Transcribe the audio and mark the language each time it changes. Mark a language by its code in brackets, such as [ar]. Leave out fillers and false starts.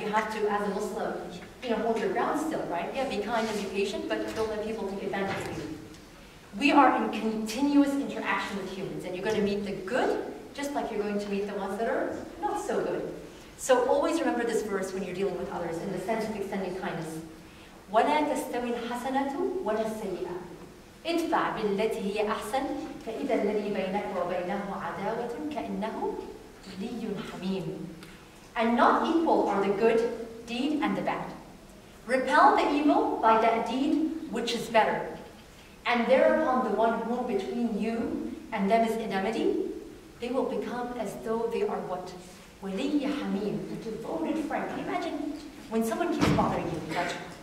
[en] You have to, as a Muslim, you know, hold your ground still, right? Yeah, be kind and be patient, but don't let people take advantage of you. We are in continuous interaction with humans, and you're going to meet the good, just like you're going to meet the ones that are not so good. So always remember this verse when you're dealing with others, in the sense of extending kindness. [ar] وَلَا تَسْتَوِي الْحَسَنَةُ وَلَا السَّيِّئَةُ ادفع بالتي هي أحسن فإذا الذي بينك وبينه عداوة كأنه ولي حميم. [en] And not equal are the good deed and the bad. Repel the evil by that deed which is better. And thereupon the one whom between you and them is enmity, they will become as though they are what? ولي حميم, a devoted friend. Can you imagine when someone keeps bothering you, right?